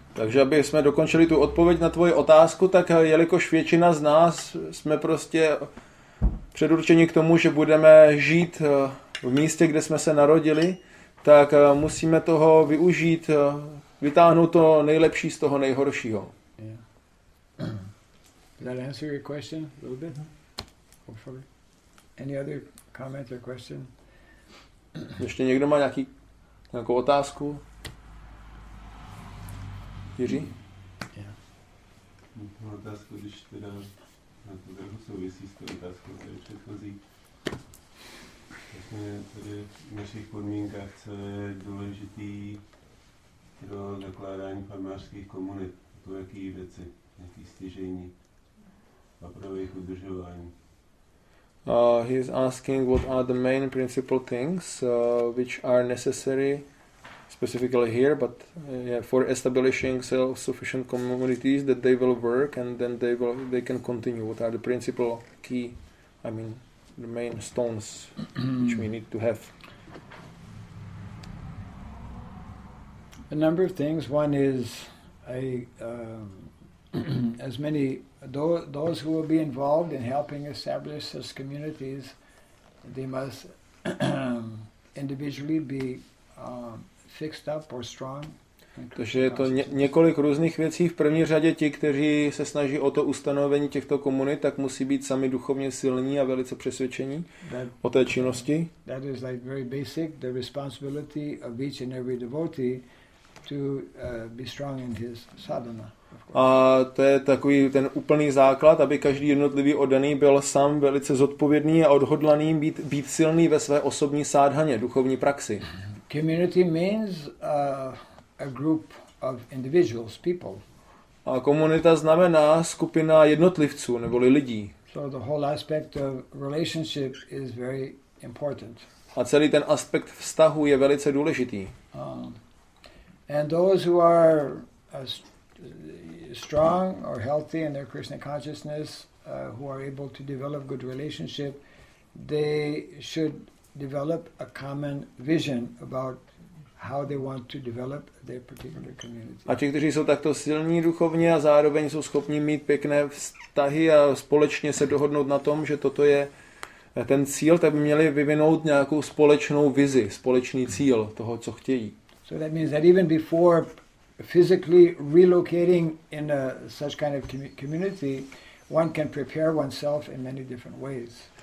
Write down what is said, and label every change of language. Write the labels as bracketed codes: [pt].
[cs] Takže abychom dokončili tu odpověď na tvoji otázku, tak jelikož většina z nás jsme prostě předurčeni k tomu, že budeme žít v místě, kde jsme se narodili, tak musíme toho využít, vytáhnout to nejlepší z toho nejhoršího. [en] Yeah. Does that answer your question a little bit? Hopefully. Any other comment or question? [cs] Ještě někdo má nějakou otázku? Jiří? [en] Yeah. [cs] Mám otázku, když teda na to trochu souvisí s tou otázkou, která je předchozí. Vlastně tady v našich podmínkách, co je důležitý pro dokládání farmářských komunit, to jaký věci, jaký stěžení a pro jejich udržování. [en] He is asking what are the main principal things which are necessary specifically here, but for establishing self-sufficient communities that they will work and then they can continue. What are the principal key, I mean, the main stones which we need to have? A number of things. One is as many those who will be involved in helping establish such communities, they must individually be fixed up or strong. [cs] Takže je to několik různých věcí. V první řadě ti, kteří se snaží o to ustanovení těchto komunit, tak musí být sami duchovně silní a velice přesvědčení o té činnosti. [en] That is like very basic, the responsibility of each and every devotee to be strong in his sadhana. [cs] A to je takový ten úplný základ, aby každý jednotlivý oddaný byl sám velice zodpovědný a odhodlaný být silný ve své osobní sádhaně, duchovní praxi. [en] Community means a group of individuals, people. [cs] A komunita znamená skupina jednotlivců neboli lidí. [en] So the whole aspect of relationship is very important. [cs] A celý ten aspekt vztahu je velice důležitý. [en] And those who are strong or healthy in their Krishna consciousness, who are able to develop good relationship, they should develop a common vision about how they want to develop their particular community. [cs] A ti, kteří jsou takto silní duchovně a zároveň jsou schopní mít pěkné vztahy a společně se dohodnout na tom, že toto je ten cíl, tak by měli vyvinout nějakou společnou vizi, společný cíl toho, co chtějí. [en] So that means that even before physically relocating in a such kind of community, one can prepare oneself in many different ways.